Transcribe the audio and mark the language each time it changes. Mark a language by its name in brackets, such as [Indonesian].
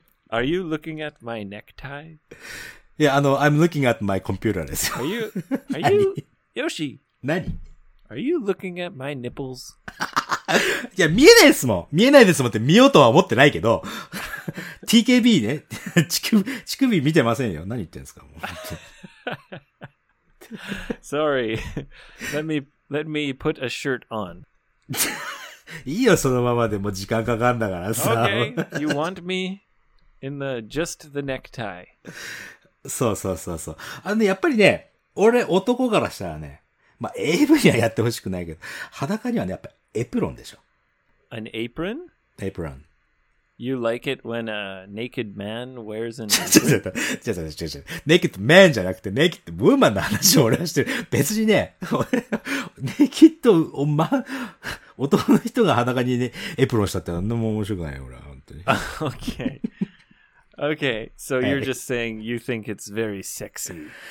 [English] Are you looking at my necktie? Yeah, I'm looking at my computer. Are you? Are you? Yoshi. [Japanese] 何? [English] Are you looking at my nipples? [Japanese] いや、見えないですもん。見えないですもんって見ようとは思ってないけど。 TKB ね。乳首見てませんよ。何言ってんですか。 [English] Sorry. Let me put a shirt on. [Japanese] いいよ、そのままでも時間かかんだからさ。 [English] Okay. You want me in the, just the necktie. [Japanese] そうそうそうそう。ね、やっぱりね、俺男からしたらね、まあ、AV にはやってほしくないけど、裸にはね、やっぱエプロンでしょ。 [English] An apron? Apron. You like it when a naked man wears an apron? ちょ。 Naked man [Japanese] じゃなくて、 [English] naked woman [Japanese] の話を俺はしてる。別にね、 [English] naked man、 [Japanese] 男の人が裸にね、エプロンしたって何でも面白くないよ、俺は、本当に。 [English] Okay. Okay. So you're just saying you think it's very sexy.